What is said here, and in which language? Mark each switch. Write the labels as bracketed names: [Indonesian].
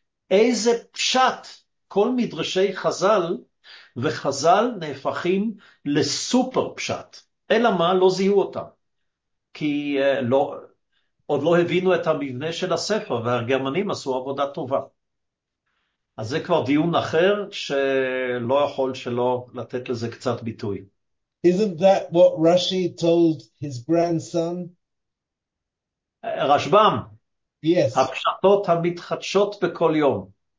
[Hebrew] איזה פשט כל מדרשי חז"ל, וחז"ל נהפכים לסופר פשט. אלא מה? לא זיהו אותם. כי לא, עוד לא הבינו את המבנה של הספר, והגרמנים עשו עבודה טובה. אז זה כבר דיון אחר שלא יכול שלא לתת לזה קצת ביטוי. [English] Isn't that what Rashi told his grandson? [Hebrew] רשב"ם. [English] Yes. [Hebrew] הפשטות המתחדשות בכל יום.